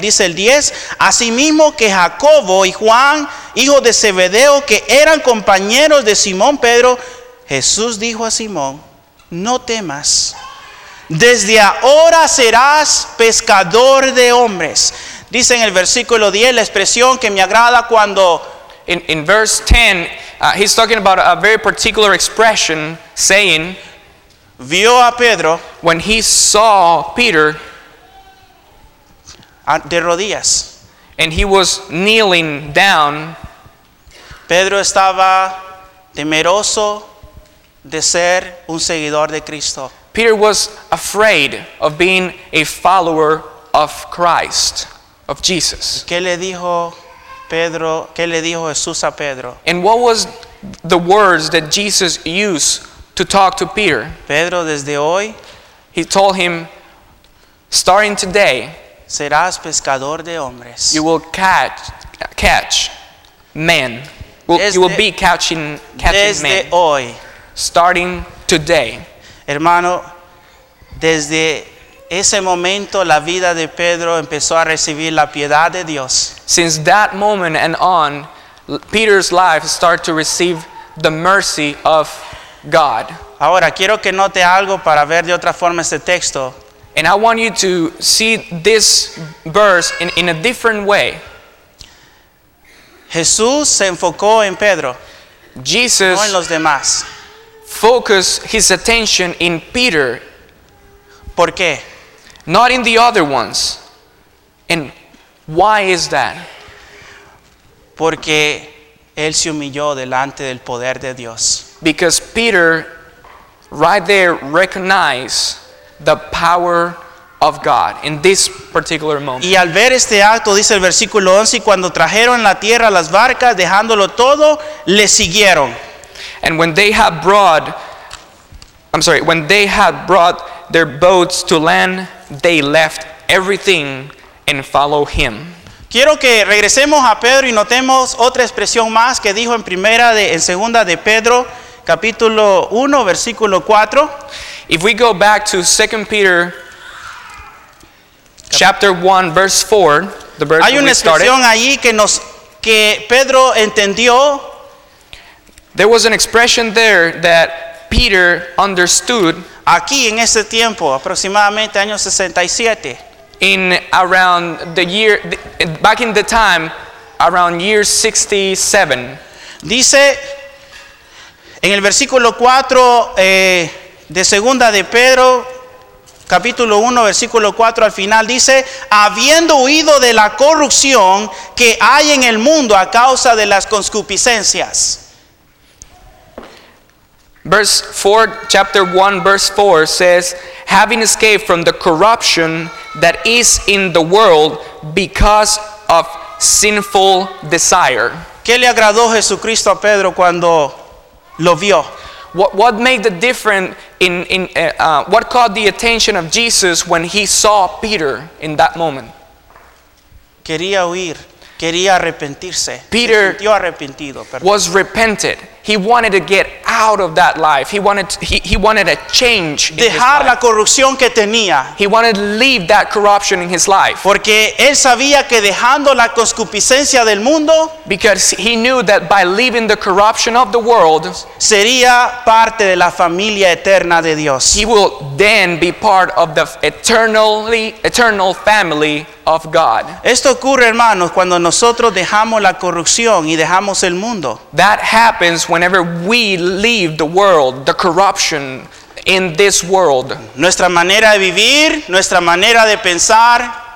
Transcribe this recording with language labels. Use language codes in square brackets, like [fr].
[es] Dice el 10, asimismo que Jacobo y Juan, hijos de Zebedeo, que eran compañeros de Simón Pedro, Jesús dijo a Simón, no temas. Desde ahora serás pescador de hombres. Dice en el versículo 10 la expresión que me agrada cuando... [en] In verse 10, he's talking about a very particular expression, saying... [es] Vio a Pedro... [en] When he saw Peter... [es] De rodillas. [en] And he was kneeling down... [es] Pedro estaba temeroso de ser un seguidor de Cristo. [en] Peter was afraid of being a follower of Christ, of Jesus. [es] ¿Qué le dijo Pedro? ¿Qué le dijo Jesús a Pedro? [en] And what was the words that Jesus used to talk to Peter? [es] Pedro, desde hoy, [en] he told him, starting today, [es] serás pescador de hombres. [en] You will catch men. You will be catching [es] desde [en] men. [es] Desde hoy, [en] starting today. [es] Hermano, desde ese momento la vida de Pedro empezó a recibir la piedad de Dios. [en] Since that moment and on, Peter's life started to receive the mercy of God. [es] Ahora quiero que note algo para ver de otra forma este texto. [en] And I want you to see this verse in a different way. [es] Jesús se enfocó en Pedro, [en] Jesus, [es] no en los demás. [en] Focus his attention in Peter. [es] ¿Por qué? [en] Not in the other ones. And why is that? [es] Porque él se humilló delante del poder de Dios. [en] Because Peter right there recognized the power of God in this particular moment. [es] Y al ver este acto, dice el versículo 11, cuando trajeron la tierra las barcas, dejándolo todo, le siguieron. [en] And when they had brought, I'm sorry, when they had brought their boats to land, they left everything and followed him. [es] Quiero que regresemos a Pedro y notemos otra expresión más que dijo en primera de, en segunda de Pedro, capítulo 1, versículo 4. [en] If we go back to 2 Peter, chapter 1, verse 4, the verse [es] hay una [en] we [es] expresión [en] started, [es] ahí que, nos, que Pedro entendió. [en] There was an expression there that Peter understood [es] aquí en ese tiempo, aproximadamente año 67, [en] in around the year, back in the time, around year 67. [es] Dice en el versículo 4 de segunda de Pedro, capítulo 1, versículo 4 al final, dice: habiendo huido de la corrupción que hay en el mundo a causa de las concupiscencias. [en] Verse 4, chapter 1, verse 4 says, having escaped from the corruption that is in the world because of sinful desire. [es] ¿Qué le agradó Jesucristo a Pedro cuando lo vio? [en] What made the difference what caught the attention of Jesus when he saw Peter in that moment? [es] Quería huir. Quería arrepentirse. [en] Peter was repented. He wanted to get out of that life. He wanted a change. [es] Dejar la corrupción que tenía. [en] He wanted to leave that corruption in his life. [es] Porque él sabía que dejando la concupiscencia del mundo, [en] because he knew that by leaving the corruption of the world, [es] sería parte de la familia eterna de Dios. [en] He will then be part of the eternal family of God. [es] Esto ocurre, hermanos, cuando nosotros dejamos la corrupción y dejamos el mundo. [en] That happens whenever we leave the world, the corruption in this world. [es] Nuestra manera de vivir, nuestra manera de pensar,